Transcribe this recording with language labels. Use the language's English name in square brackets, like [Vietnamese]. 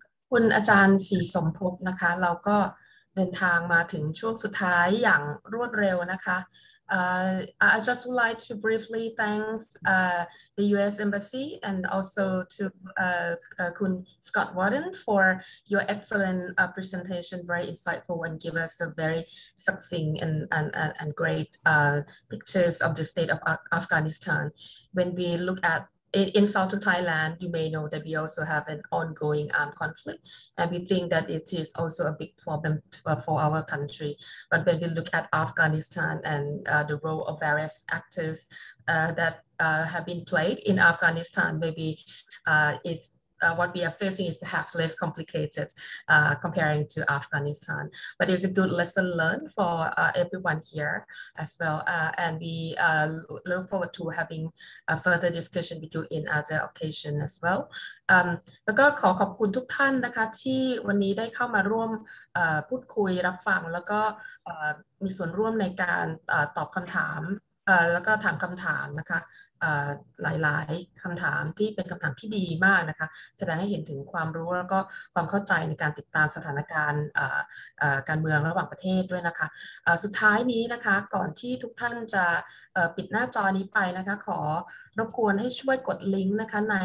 [Thai] คุณอาจารย์ศรีสมภพนะคะเราก็เดินทางมาถึงช่วงสุดท้ายอย่างรวดเร็วนะคะ [English] I just would like to briefly thanks the U.S. Embassy and also to Kun Scott Worden for your excellent presentation, very insightful, and give us a very succinct and great pictures of the state of Afghanistan. When we look at in southern Thailand, you may know that we also have an ongoing armed conflict, and we think that it is also a big problem for our country. But when we look at Afghanistan and the role of various actors that have been played in Afghanistan, maybe it's what we are facing is perhaps less complicated comparing to Afghanistan. But it's a good lesson learned for everyone here as well. And we look forward to having a further discussion with you in other occasion as well. [Thai] แล้วก็ขอขอบคุณทุกท่านนะคะที่วันนี้ได้เข้ามาร่วมพูดคุยรับฟังแล้วก็มีส่วนร่วมในการตอบคำถามแล้วก็ถามคำถามนะคะหลายๆคำถามที่เป็นคำถามที่ดีมากนะคะแสดงให้เห็นถึงความรู้แล้วก็ความเข้าใจในการติดตามสถานการณ์การเมืองระหว่างประเทศด้วยนะคะสุดท้ายนี้นะคะก่อนที่ทุกท่านจะปิดหน้าจอนี้ไปนะคะขอรบกวนให้ช่วยกดลิงก์นะคะ